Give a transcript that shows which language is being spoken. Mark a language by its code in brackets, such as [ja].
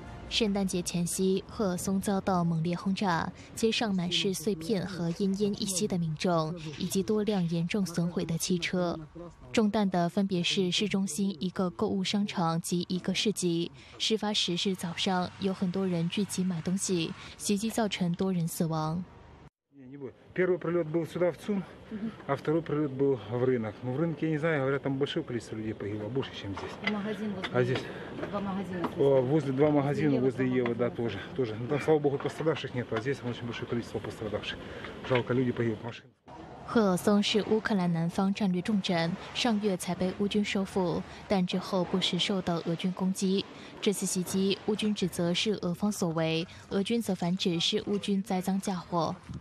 [zh] 圣诞节前夕，赫尔松遭到猛烈轰炸，街上满是碎片和奄奄一息的民众，以及多辆严重损毁的汽车。中弹的分别是市中心一个购物商场及一个市集。事发时是早上，有很多人聚集买东西，袭击造成多人死亡。 [ru] Первый прилет был сюда, в ЦУМ, а второй прилет был в рынок. Но в рынке, я не знаю, говорят, там большое количество людей погибло, больше, чем здесь. Магазин возле... А здесь? Два магазина. О, возле два магазина, Ева, возле Евы, да, тоже. Тоже. Но там, слава богу, пострадавших нет, а здесь очень большое количество пострадавших. Жалко, люди погибли в машине. [zh] 赫尔松是乌克兰南方战略重镇，上月才被乌军收复，但之后不时受到俄军攻击。这次袭击，乌军指责是俄方所为，俄军则反指是乌军栽赃嫁祸。